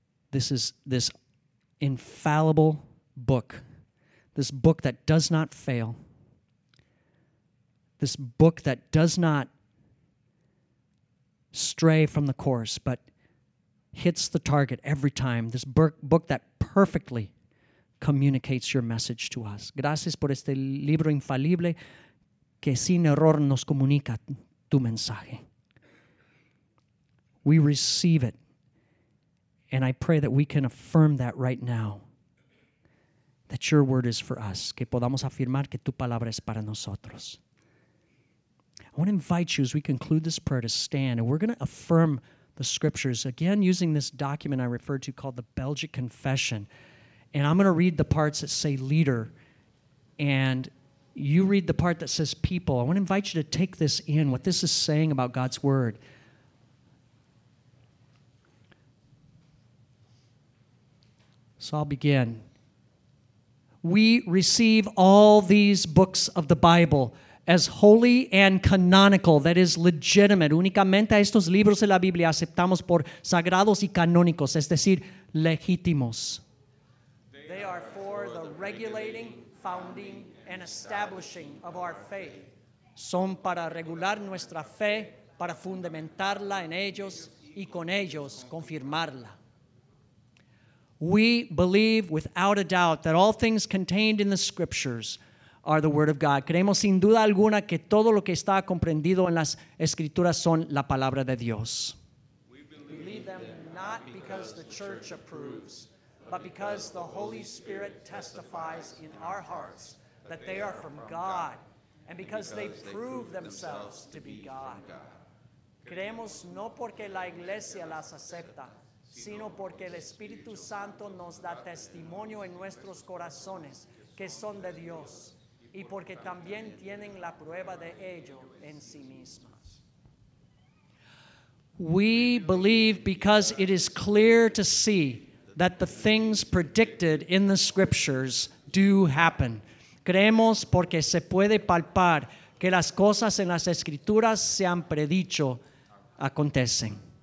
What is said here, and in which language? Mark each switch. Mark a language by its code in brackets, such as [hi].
[en] This is this infallible book, this book that does not fail, this book that does not stray from the course, but hits the target every time. This book that perfectly communicates your message to us. [es] Gracias por este libro infalible que sin error nos comunica tu mensaje. [en] We receive it, and I pray that we can affirm that right now, that your word is for us. [es] Que podamos afirmar que tu palabra es para nosotros. [en] I want to invite you as we conclude this prayer to stand, and we're going to affirm the scriptures, again using this document I referred to called the Belgic Confession. And I'm going to read the parts that say leader, and you read the part that says people. I want to invite you to take this in, what this is saying about God's word. So I'll begin. We receive all these books of the Bible as holy and canonical, that is legitimate. [es] Únicamente estos libros de la Biblia aceptamos por sagrados y canónicos, es decir, legítimos. [en] They are for the regulating, founding, and establishing of our faith. [es] Son para regular nuestra fe, para fundamentarla en ellos y con ellos confirmarla. [en] We believe without a doubt that all things contained in the scriptures are the word of God. [es] Creemos sin duda alguna que todo lo que está comprendido en las escrituras son la palabra de Dios. [en] We believe them not because the church approves, but because the Holy Spirit testifies in our hearts that they are from God, and because they prove themselves to be God. [es] Creemos no porque la iglesia las acepta, sino porque el Espíritu Santo nos da testimonio en nuestros corazones que son de Dios. Y porque también tienen la prueba de ello en sí mismas. [en] We believe because it is clear to see that the things predicted in the scriptures do happen. [es] Creemos porque se puede palpar que las cosas en las escrituras se han predicho acontecen.